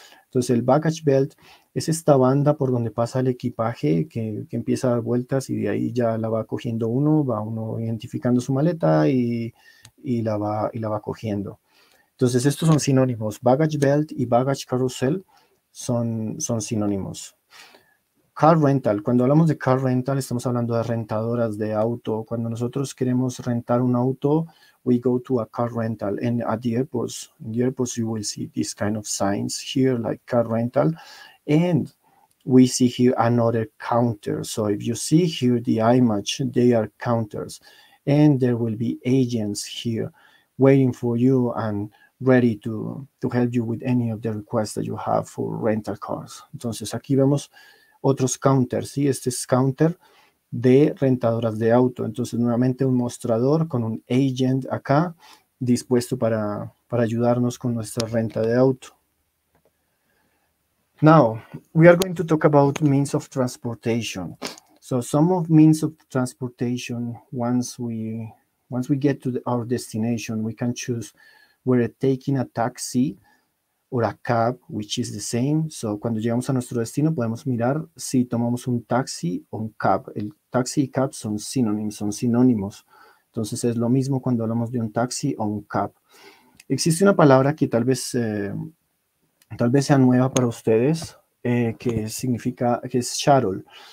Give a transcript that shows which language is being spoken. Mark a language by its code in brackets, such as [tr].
[es] Entonces, el baggage belt es esta banda por donde pasa el equipaje que empieza a dar vueltas y de ahí ya la va cogiendo uno, va uno identificando su maleta y la va cogiendo. Entonces, estos son sinónimos. Baggage belt y baggage carousel son sinónimos. Car rental. Cuando hablamos de car rental, estamos hablando de rentadoras de auto. Cuando nosotros queremos rentar un auto, [en] we go to a car rental. And at the airports, in the airports you will see this kind of signs here, like car rental. And we see here another counter. So if you see here the image, they are counters. And there will be agents here waiting for you and ready to help you with any of the requests that you have for rental cars. [es] Entonces, aquí vemos otros counters, ¿sí? Este es counter de rentadoras de auto. Entonces, nuevamente un mostrador con un agent acá dispuesto para ayudarnos con nuestra renta de auto. [en] Now, we are going to talk about means of transportation. So some of means of transportation, once we get to our destination, we can choose whether taking a taxi or a cab, which is the same. [es] So cuando llegamos a nuestro destino, podemos mirar si tomamos un taxi o un cab. El taxi y cab son sinónimos. Entonces es lo mismo cuando hablamos de un taxi o un cab. Existe una palabra que tal vez sea nueva para ustedes, que es shuttle.